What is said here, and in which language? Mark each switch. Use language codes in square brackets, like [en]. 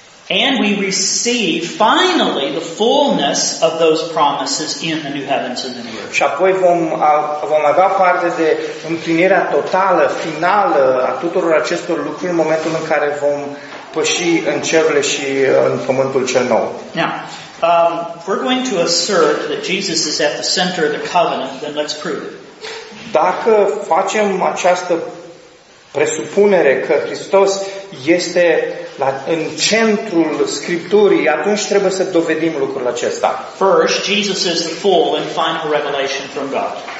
[en] And we receive finally the fullness of those promises in the new heavens and the new earth. [ro] Și apoi vom avea parte de împlinirea totală, finală a tuturor acestor lucruri în momentul în care vom păși în cerurile și în pământul cel nou. [en] Now, we're going to assert that Jesus is at the center of the covenant, then let's prove it. [ro] Dacă facem această presupunere că Hristos este în centrul Scripturii, atunci trebuie să dovedim lucrul acesta. [en] First, Jesus is the full and final revelation from God.